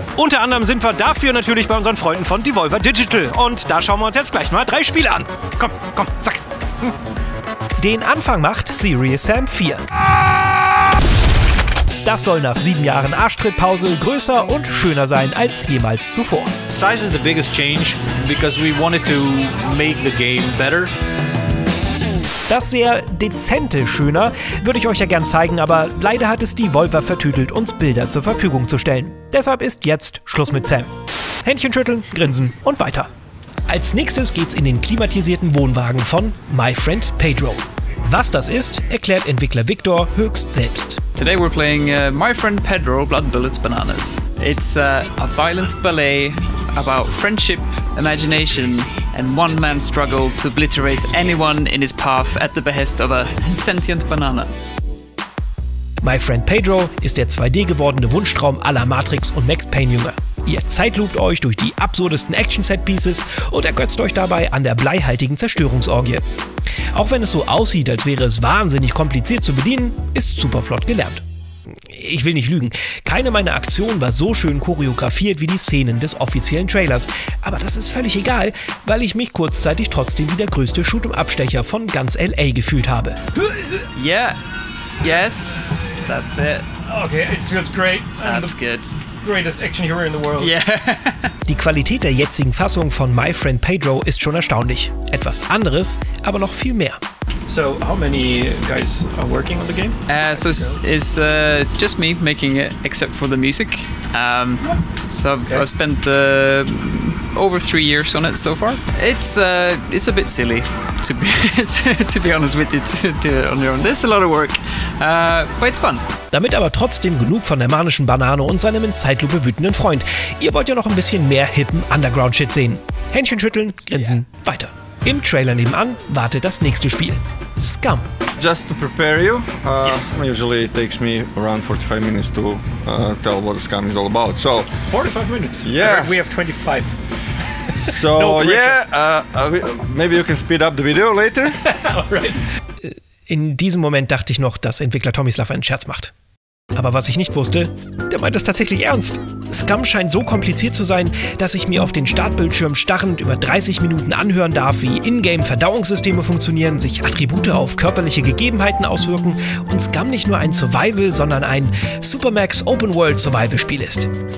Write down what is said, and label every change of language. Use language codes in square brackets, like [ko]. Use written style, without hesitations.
[de] Unter anderem sind wir dafür natürlich bei unseren Freunden von Devolver Digital. Und da schauen wir uns jetzt gleich mal 3 Spiele an. Komm, komm, zack. Den Anfang macht Serious Sam 4. Das soll nach 7 Jahren Arschtrittpause größer und schöner sein als jemals zuvor. [en] Size is the biggest change because we wanted to make the game better. [de] Das sehr dezente Schöner würde ich euch ja gern zeigen, aber leider hat es Devolver vertüdelt, uns Bilder zur Verfügung zu stellen. Deshalb ist jetzt Schluss mit Sam. Händchen schütteln, grinsen und weiter. Als nächstes geht's in den klimatisierten Wohnwagen von My Friend Pedro. Was das ist, erklärt Entwickler Victor höchst selbst. [en] Today we're playing My Friend Pedro Blood Bullets Bananas. It's a violent ballet about friendship, imagination and one man's struggle to obliterate anyone in his path at the behest of a sentient banana. [de] My Friend Pedro ist der 2D gewordene Wunschtraum aller Matrix und Max Payne Jünger. Ihr zeitloopt euch durch die absurdesten Action-Set-Pieces und ergötzt euch dabei an der bleihaltigen Zerstörungsorgie. Auch wenn es so aussieht, als wäre es wahnsinnig kompliziert zu bedienen, ist super flott gelernt. Ich will nicht lügen, keine meiner Aktionen war so schön choreografiert wie die Szenen des offiziellen Trailers. Aber das ist völlig egal, weil ich mich kurzzeitig trotzdem wie der größte Shoot-'em-up-Stecher von ganz L.A. gefühlt habe. [en] Yeah, yes, that's it. Okay, it feels great. That's good. Greatest action hero in the world. Yeah. [de] Die Qualität der jetzigen Fassung von My Friend Pedro ist schon erstaunlich. Etwas anderes, aber noch viel mehr. [en] So, how many guys are working on the game? Just me making it, except for the music. I've spent over 3 years on it so far. It's a bit silly to be honest with you, to do it on your own. There's a lot of work, but it's fun. [de] Damit aber trotzdem genug von der manischen Banane und seinem in Zeitlupe wütenden Freund. Ihr wollt ja noch ein bisschen mehr hippen Underground-Shit sehen. Händchen schütteln, grinsen, weiter. Im Trailer nebenan wartet das nächste Spiel. Scum. [en] Just to prepare you, usually it takes me around 45 minutes to tell what Scum is all about. So 45 minutes? Yeah. We have 25. So, maybe you can speed up the video later. Alright. [de] In diesem Moment dachte ich noch, dass Entwickler Tomislav einen Scherz macht. Aber was ich nicht wusste, der meint es tatsächlich ernst. Scum scheint so kompliziert zu sein, dass ich mir auf den Startbildschirm starrend über 30 Minuten anhören darf, wie Ingame-Verdauungssysteme funktionieren, sich Attribute auf körperliche Gegebenheiten auswirken und Scum nicht nur ein Survival, sondern ein Supermax Open-World-Survival-Spiel ist.